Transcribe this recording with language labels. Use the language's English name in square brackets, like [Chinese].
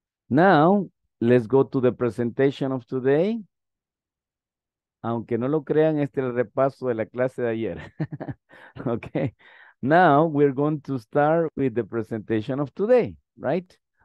[English] Now, let's go to the presentation of today. [Spanish] Aunque no lo crean, este es el repaso de la clase de ayer. [English] Okay, now we're going to start with the presentation of today, right?